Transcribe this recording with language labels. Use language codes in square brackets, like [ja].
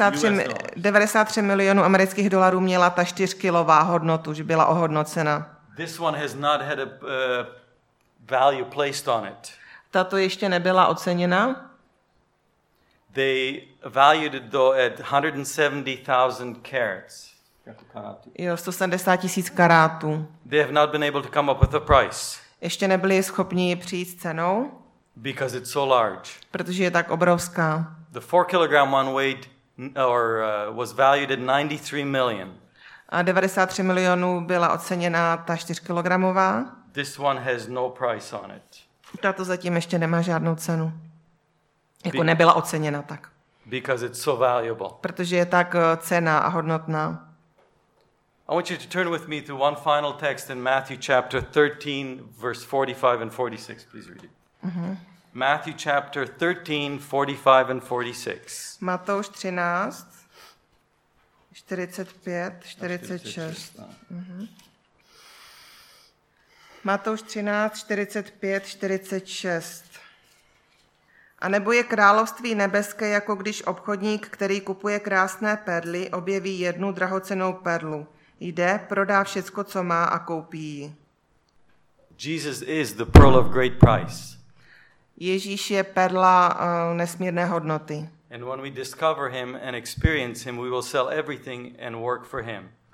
[cs] Jo, 93 milionů amerických dolarů měla ta 4-kilová hodnotu, že byla ohodnocena. [en] This one has not had a value placed on it. [cs] Tato ještě nebyla oceněna. [en] They valued it though at 170,000 carats. [cs] Jo, 170 tisíc karátů. [en] They have not been able to come up with a price. [cs] Ještě nebyli schopni přijít s cenou. [en] Because it's so large. [cs] Protože je tak obrovská. [en] The 4-kilogram one weighed or was valued at 93 million. [cs] A 93 milionů byla oceněna ta 4-kilogramová. [en] This one has no price on it. [cs] Tato zatím ještě nemá žádnou cenu. Jako nebyla oceněna tak. [en] Because it's so valuable. [cs] Protože je tak cenná a hodnotná. [en] I want you to turn with me to one final text in Matthew chapter 13 verse 45 and 46, please read it. Mm-hmm. Matthew chapter 13 45 and 46. [cs] Matouš 13 45 46. Matouš 13 45 46. A nebo je království nebeské jako když obchodník, který kupuje krásné perly, objeví jednu drahocenou perlu, jde, prodá všecko, co má a koupí ji. [en] Jesus is the pearl of great price. [cs] Ježíš je perla nesmírné hodnoty. [en] And when we discover him and experience him, we will sell everything and work for him.